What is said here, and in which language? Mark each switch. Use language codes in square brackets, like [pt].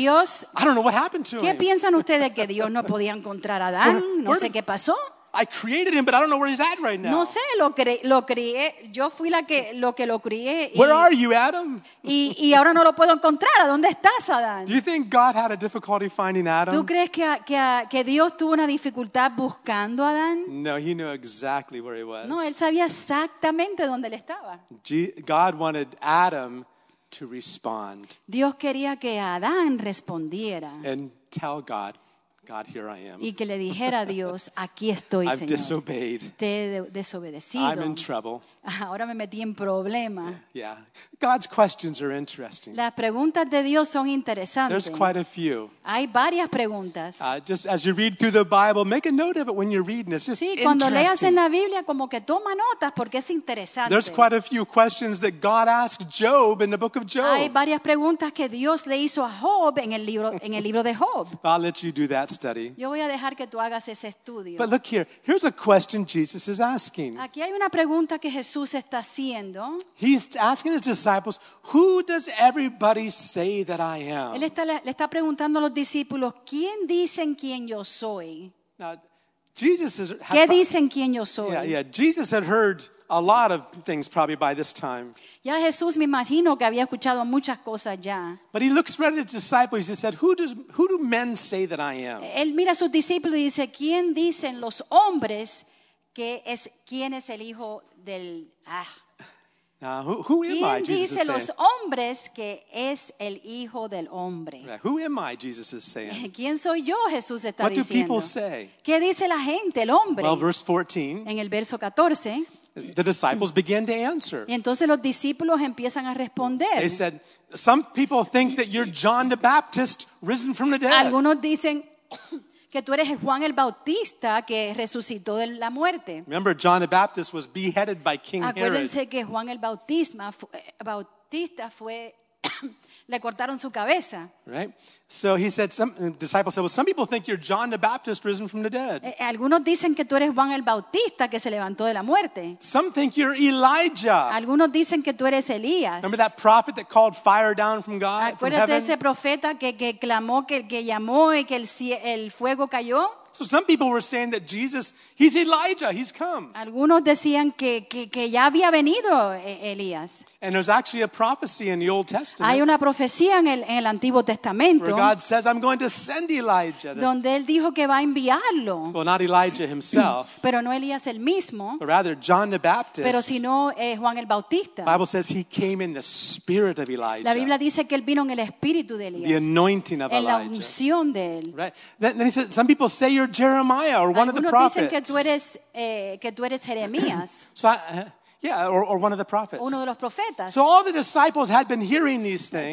[es] Dios, [en] I don't know what happened to [es] ¿qué [en] him? [es] Piensan ustedes que Dios no podía encontrar a Adán? No sé qué pasó. [en] I created him, but I don't know where he's at right now. [es] No sé, lo crié. Yo fui lo crié. [en] Where are you, Adam? [es] Y ahora no lo puedo encontrar. ¿A dónde estás, Adán? [en] Do you think God had a difficulty finding Adam? [es] ¿Tú crees que Dios tuvo una dificultad buscando a Adán? [en] No, he knew exactly where he was. [es] No, él sabía exactamente dónde él estaba. [en] God wanted Adam to respond. [es] Dios quería que Adán respondiera. [en] And tell God, God, here I am. [es] Y que le dijera a Dios, aquí estoy, [en] I've [es] Señor. [en] Disobeyed. [es] Te he desobedecido. [en] I'm in trouble. [es] Ahora me metí en problema. [en] Yeah, yeah. God's questions are interesting. [es] Las preguntas de Dios son interesantes. [en] There's quite a few. [es] Hay varias preguntas. [en] Just as you read through the Bible, make a note of it when you're reading. It's just interesting. [es] Sí, cuando leas en la Biblia, como que toma notas porque es interesante. [en] There's quite a few questions that God asked Job in the book of Job. [es] Hay varias preguntas que Dios le hizo a Job en el libro de Job. [en] I'll let you do that study. [es] Yo voy a dejar que tú hagas ese estudio. [en] But look here. Here's a question Jesus is asking. [es] Aquí hay una pregunta que Jesús está haciendo. [en] He's asking his disciples, "Who does everybody say that I am?" [es] Él está le está preguntando a los discípulos, "¿Quién dicen quién yo soy?" ¿Qué dicen quién yo soy? [en] Yeah, Jesus had heard a lot of things probably by this time. [es] Ya Jesús me imagino que había escuchado muchas cosas ya. [en] But he looks right at his disciples and said, "Who do men say that I am?" [es] Él mira a sus discípulos y dice, "¿Quién dicen los hombres que es quién es el hijo del [en] Who am [es] ¿Quién [en] I, Jesus [es] dice [en] is saying? [es] Los hombres que es el hijo del hombre? [en] Right. Who am I, Jesus is saying? [es] ¿Quién soy yo, Jesús está [en] What [es] diciendo? [en] Do people say? [es] ¿Qué dice la gente, el hombre? [en] Well, verse 14. [es] En el verso 14, [en] the disciples begin to answer. [es] Y entonces los discípulos empiezan a responder. [en] They said, "Some people think that you're John the Baptist risen from the dead." [es] Algunos dicen que tú eres Juan el Bautista que resucitó de la muerte. [en] Remember, John the Baptist was beheaded by King [es] Acuérdense [en] Herod. [es] Acuérdense que Juan el Bautista fue le cortaron su cabeza. [en] Right. So he said, disciples said, "Well, some people think you're John the Baptist risen from the dead." [es] Algunos dicen que tú eres Juan el Bautista que se levantó de la muerte. [en] Some think you're Elijah. [es] Algunos dicen que tú eres Elías. [en] Remember that prophet that called fire down from God? [es] Acuérdate de ese profeta que clamó que llamó y que el fuego cayó. [en] So some people were saying that Jesus, he's Elijah, he's come. [es] Algunos decían que ya había venido Elías. [en] And there's actually a prophecy in the Old Testament. [es] Hay una profecía en el Antiguo Testamento. [en] Where God says, "I'm going to send Elijah." [es] Donde él dijo que va a enviarlo. [en] Well, not Elijah himself. [es] Pero no Elías el mismo. [en] But rather John the Baptist. [es] Pero sino Juan el Bautista. [en] The Bible says he came in the spirit of Elijah. [es] La Biblia dice que él vino en el espíritu de Elías. [en] The anointing of Elijah. [es] En la unción de él. [en] Right. Then he said, some people say you're Jeremiah or one of the prophets. [es] Algunos dicen que tú eres Jeremías. [en] So or one of the prophets. [es] Uno de los profetas. [en] So all the disciples had been hearing these things.